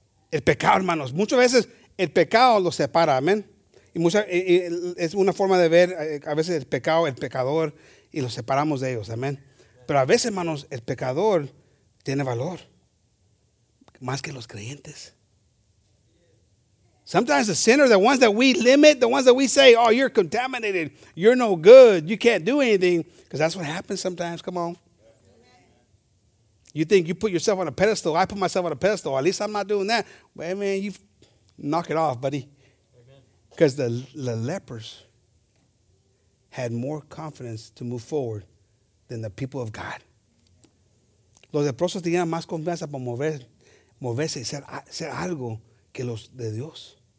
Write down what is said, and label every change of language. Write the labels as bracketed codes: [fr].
[es] El pecado, hermanos. Muchas veces el pecado los separa, amén. Y es una forma de ver a veces el pecado, el pecador, y los separamos de ellos, amén. Pero a veces, hermanos, el pecador tiene valor. Más que los creyentes. [en] Sometimes the sinner, the ones that we limit, the ones that we say, oh, you're contaminated, you're no good, you can't do anything, because that's what happens sometimes, come on. You think you put yourself on a pedestal. I put myself on a pedestal. At least I'm not doing that. Well, man, you knock it off, buddy. Because the lepers had more confidence to move forward than the people of God. [es] Los leprosos tenían más confianza para moverse y ser algo que los de Dios.